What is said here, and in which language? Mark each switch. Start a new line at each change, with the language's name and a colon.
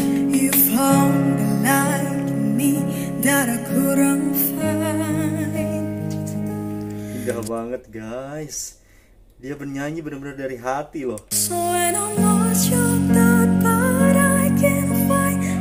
English: You found a light in me that I couldn't find.
Indonesian: Indah banget guys. Dia bernyanyi benar-benar dari hati loh.
English: So when I'm lost, you're not bad, I can find.